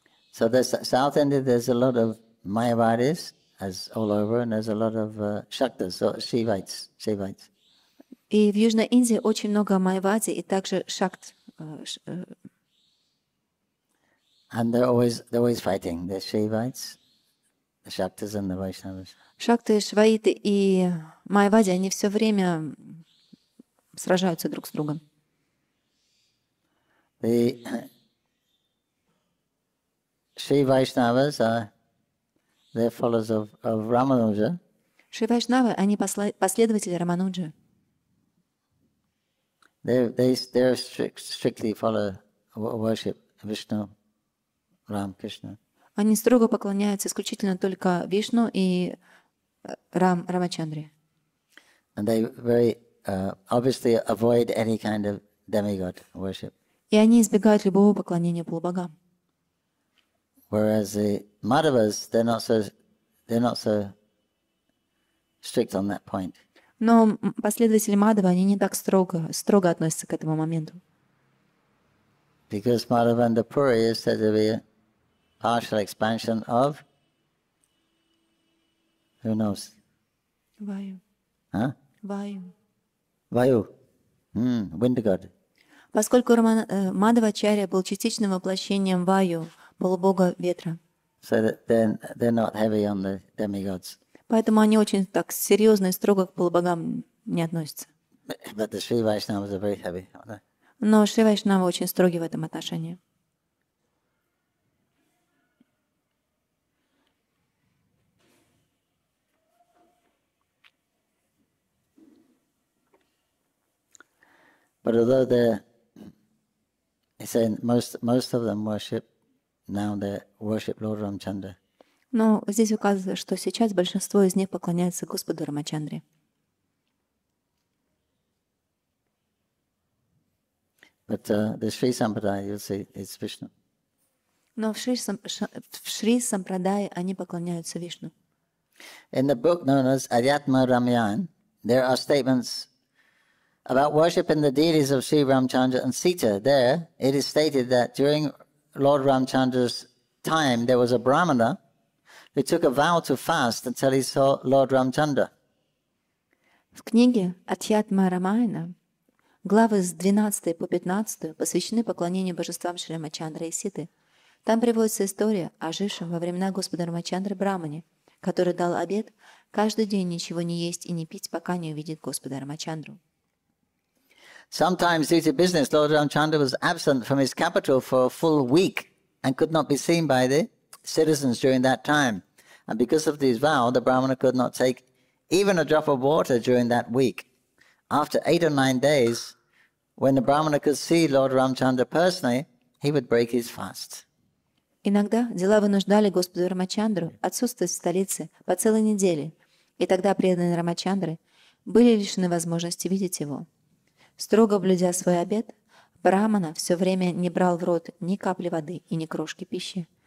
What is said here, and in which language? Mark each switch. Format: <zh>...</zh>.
<en>So there's South India, there's a lot of Mayavadis, as all over, and there's a lot of Shaktas, so Shivites.</en> <ru>И в Южной Индии очень много Майавади и также Шакт.</ru> <en>And they're always fighting, the Shivites, the Shaktas and the Vaishnavas.</en> <ru>Шакты, Шваиты и Майавади, они все время сражаются друг с другом.</ru> <en>Shri Vaishnavas are their followers of Ramanuja.</en> <ru>Shri Vaishnava, они последователи Рамануджи.</ru> <en>They strictly follow worship Vishnu, Ram, Krishna.</en> <ru>Они строго поклоняются исключительно только Вишну и Рамачандре.</ru> <en>And they very obviously avoid any kind of demigod worship.</en> <ru>И они избегают любого поклонения полубогам.</ru> <en>Whereas the Madhavas, they're not so strict on that point.</en> <ru>Но последователи Мадхва они не так строго относятся к этому моменту.</ru> <en>Because Madhavandapuri is said to be a partial expansion of who knows? Vayu. Huh? Vayu. Vayu. Wind god.</en> <ru>Поскольку Мадхвачарья был частичным воплощением Ваю. Полубога ветра.</ru> <en>So they're not heavy on the demigods.</en> <ru>Поэтому они очень так серьезно и строго к полубогам не относятся.</ru> <en>But the Sri Vaishnavas are very heavy, aren't they?</en> <ru>Но Шри Вайшнавы очень строги в этом отношении.</ru> <en>But although they, he said most of them worship now they worship Lord Ramchandra.</en> <ru>Но здесь указывается, что сейчас большинство из них поклоняется Господу Рамачандре.</ru> <en>But the Sri Sampradaya, you'll see, is Vishnu.</en> <ru>Но в Шри Сампрадае они поклоняются Вишну.</ru> <en>In the book known as Adhyatma Ramayan, there are statements about worshiping the deities of Sri Ramchandra and Sita. There, it is stated that during Lord Ramchandra's time, there was a Brahmana who took a vow to fast until he saw Lord Ramchandra.</en> <ru>В книге Адхьятма Рамаяна главы с 12 по 15 посвящены поклонению божествам Шри Рамачандры и Ситы. Там приводится история о жившем во времена Господа Рамачандры Брамане, который дал обет каждый день ничего не есть и не пить, пока не увидит Господа Рамачандру.</ru> <en>Sometimes due to business, Lord Ramchandra was absent from his capital for a full week and could not be seen by the citizens during that time. And because of this vow, the Brahmana could not take even a drop of water during that week. After 8 or 9 days, when the Brahmana could see Lord Ramchandra personally, he would break his fast.</en> <ru>Иногда дела вынуждали Господу Рамачандру отсутствовать в столице по целой неделе, и тогда преданные Рамачандры были лишены возможности видеть его. Строго блюдя свой обет, Брахмана все время не брал в рот ни капли воды и ни крошки пищи.</ru>